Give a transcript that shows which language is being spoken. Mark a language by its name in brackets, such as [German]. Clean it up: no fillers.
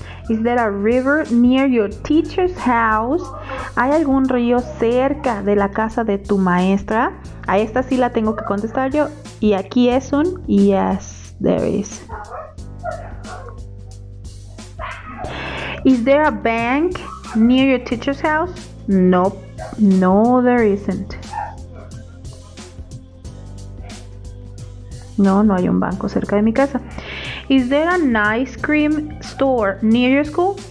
[English] Is there a river near your teacher's house? [Spanish] ¿Hay algún río cerca de la casa de tu maestra? A esta sí la tengo que contestar yo. Y aquí es un [English] yes, there is. Is there a bank near your teacher's house? Nope, no, there isn't. [Spanish] No, no hay un banco cerca de mi casa. [English] Is there an ice cream store near your school?